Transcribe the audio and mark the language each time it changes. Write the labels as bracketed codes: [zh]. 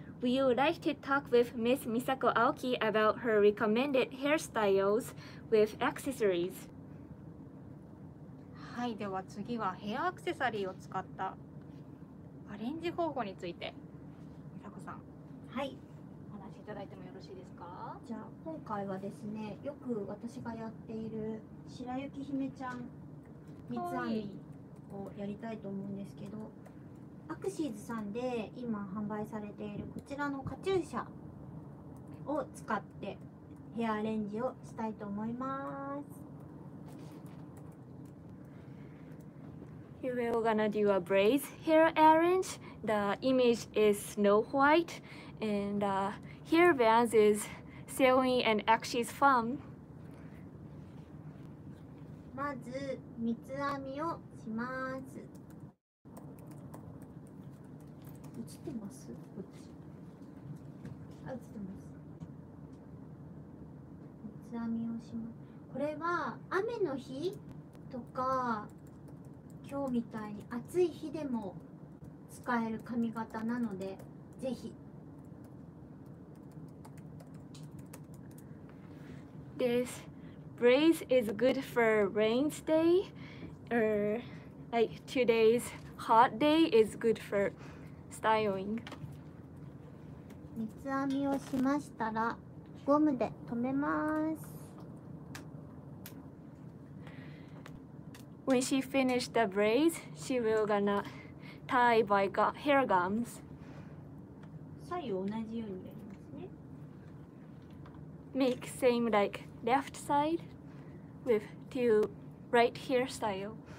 [en] Would you like to talk with Miss Misako Aoki about her recommended hairstyles with accessories? [ja] はい、では次はヘアアクセサリーを使ったアレンジ方法について、美佐子さん、はい、お話しいただいてもよろしいですか。じゃあ今回はですね、よく私がやっている白雪姫ちゃん三つ編みをやりたいと思うんですけど、アクシーズさんで今販売されているこちらのカチューシャを使ってヘアアレンジをしたいと思います。 [en] We are gonna do a braid hair arrange. The image is Snow White, and hair bands is Sailing and Axis Farm. [ja] まず三つ編みをします。映ってます？こっち。あ、映ってます。三つ編みをします。これは雨の日とか。今日みたいに暑い日でも使える髪型なので、ぜひ。 [en] This braid is good for rain day, or like today's hot day is good for styling. [ja] 三つ編みをしましたらゴムで留めます。 [en] When she finished the braids, she will gonna tie by hair gums. [ja] 左右同じようにやりますね。 [en] Make same like left side with two right hairstyle.